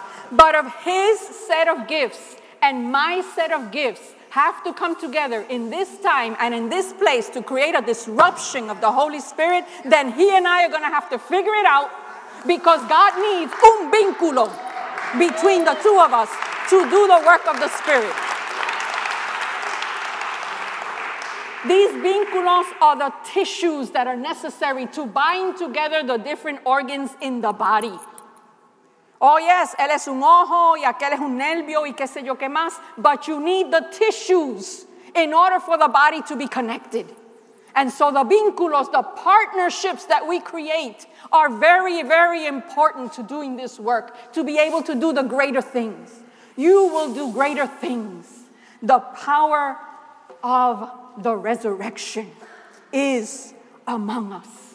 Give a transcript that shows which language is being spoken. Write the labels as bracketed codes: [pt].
[en] But of his set of gifts, and my set of gifts have to come together in this time and in this place to create a disruption of the Holy Spirit, then he and I are going to have to figure it out, because God needs un vínculo between the two of us to do the work of the Spirit. These vínculos are the tissues that are necessary to bind together the different organs in the body. Oh yes, [es] él es un ojo y aquel es un nervio y qué sé yo qué más. [en] But you need the tissues in order for the body to be connected. And so the vínculos, the partnerships that we create are very, very important to doing this work, to be able to do the greater things. You will do greater things. The power of the resurrection is among us.